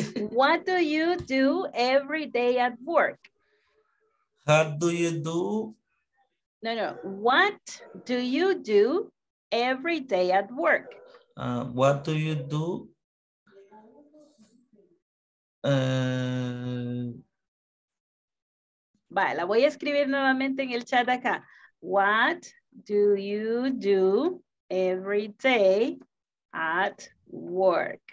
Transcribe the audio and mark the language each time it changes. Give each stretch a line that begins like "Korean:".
English: What do you do every day at work? How do you do? No, no. What do you do every day at work? What do you do?
Spanish: Vale, la voy a escribir nuevamente en el chat acá.
English: What do you do every day at work?